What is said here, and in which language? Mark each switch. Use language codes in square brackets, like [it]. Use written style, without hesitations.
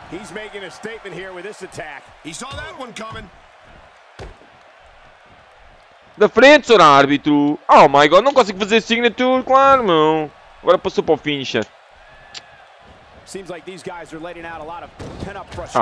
[en] He's making a statement here with this attack. He saw that one coming. [pt] Da frente, senhor árbitro. [en] Oh my God! [pt] Não consigo fazer signature, claro, meu. Agora passou para o finisher. [en] Seems like these guys are letting out a lot of pent-up frustration.